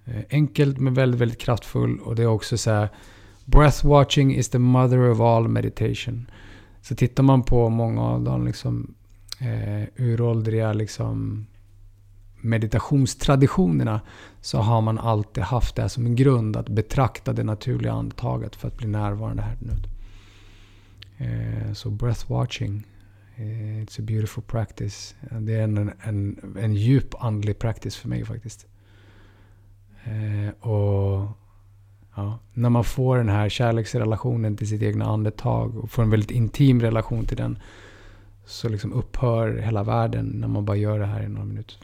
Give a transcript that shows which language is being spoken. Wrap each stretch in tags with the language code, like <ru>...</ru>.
<sv>Enkelt men väldigt, väldigt kraftfull. Och det är också så här,</sv> <en>breath watching is the mother of all meditation.</en> <sv>Så tittar man på många av de liksom, uråldriga liksom, meditationstraditionerna, så har man alltid haft det som en grund att betrakta det naturliga andetaget för att bli närvarande här nu.</sv> <en>Så breath watching, it's a beautiful practice.</en> <sv>Det är en djup andlig practice för mig faktiskt. Och ja, när man får den här kärleksrelationen till sitt egna andetag och får en väldigt intim relation till den, så liksom upphör hela världen när man bara gör det här i några minuter.</sv>